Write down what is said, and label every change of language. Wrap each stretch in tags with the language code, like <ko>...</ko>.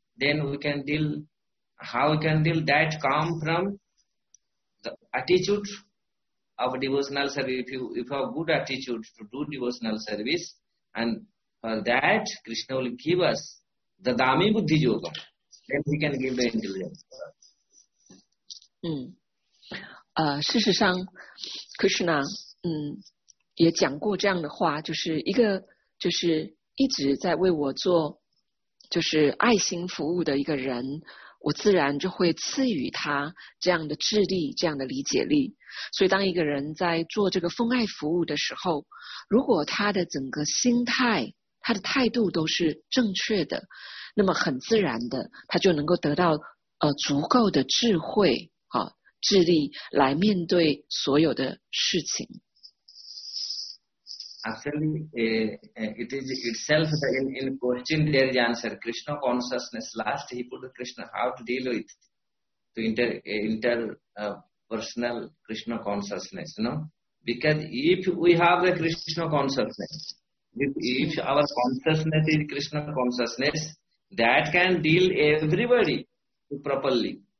<en>Then we can deal, how we can deal that come from the attitude of devotional service. If you have good attitude to do devotional service, and for that Krishna will give us the dami buddhi yoga. Then we can give the intelligence. Mm.</en> <zh>事实上 Krishna 也讲过这样的话，就是一个就是一直在为我做就是爱心服务的一个人，我自然就会赐予他这样的智力，这样的理解力。所以当一个人在做这个奉爱服务的时候，如果他的整个心态，他的态度都是正确的，那么很自然的他就能够得到足够的智慧啊，智力来面对所有的事情。</zh> <en>Actually, it is itself in question there is answer. Krishna consciousness, last he put Krishna how to deal with to interpersonal Krishna consciousness, you know? Because if we have the Krishna consciousness, if our consciousness is Krishna consciousness, that can deal everybody properly.</en>